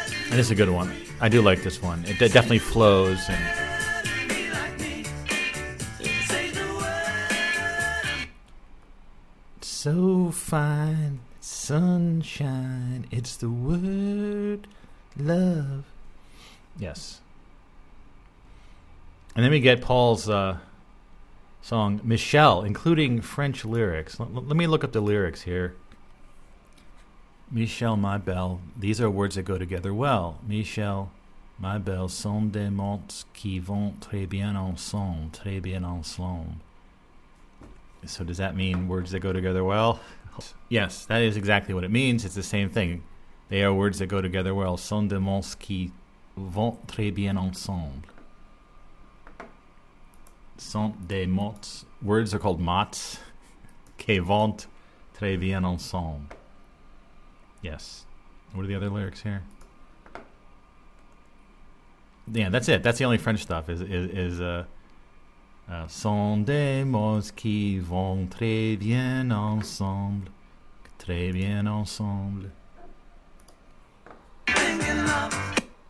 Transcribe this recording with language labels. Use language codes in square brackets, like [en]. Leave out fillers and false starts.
[en] This is a good one. I do like this one. It definitely flows. And so fine, sunshine, it's the word, love. Yes. And then we get Paul's song, Michelle, including French lyrics. Let me look up the lyrics here. Michelle, my belle, these are words that go together well. [fr] Michelle, my belle, sont des mots qui vont très bien ensemble. [en] So does that mean words that go together well? Yes, that is exactly what it means. It's the same thing. They are words that go together well. [fr] Sont des mots qui vont très bien ensemble. Sont des mots, [en] words are called [fr] mots, qui vont très bien ensemble. Yes. [en] What are the other lyrics here? Yeah, that's it. That's the only French stuff. [fr] Sont des mots qui vont très bien ensemble, [en] thinking of.